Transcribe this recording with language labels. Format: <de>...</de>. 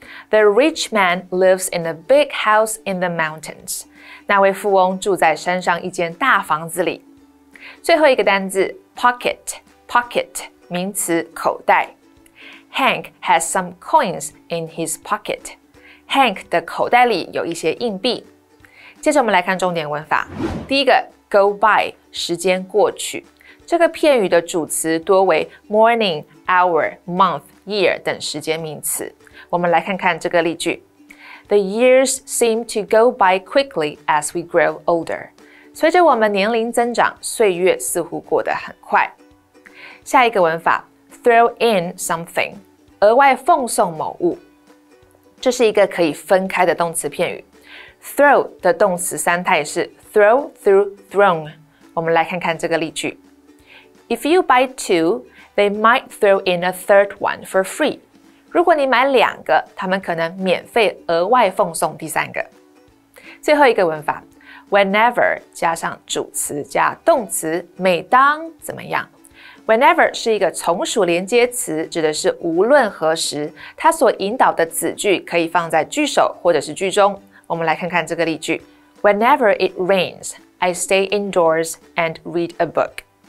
<en>The rich man lives in a big house in the mountains.</en> <zh>那位富翁住在山上一间大房子里。最后一个单字 pocket 名词口袋。</zh> <en>Hank has some coins in his pocket.</en> <zh>Hank 的口袋里有一些硬币。接着我们来看重点文法。第一个 go by 时间过去，这个片语的主词多为 morning, hour, month, year 等时间名词。我们来看看这个例句。</zh> <en>The years seem to go by quickly as we grow older.</en> <zh>随着我们年龄增长，岁月似乎过得很快。下一个文法 throw in something, 额外奉送某物。这是一个可以分开的动词片语。 Throw 的动词三态是 throw, through, thrown. 我们来看看这个例句。</zh> <en>If you buy two, they might throw in a third one for free.</en> <zh>如果你买两个，他们可能免费额外奉送第三个。最后一个文法 ,whenever 加上主词加动词每当怎么样。 Whenever 是一个从属连接词，指的是无论何时，它所引导的子句可以放在句首或者是句中。我们来看看这个例句。</zh> <en>Whenever it rains, I stay indoors and read a book.</en>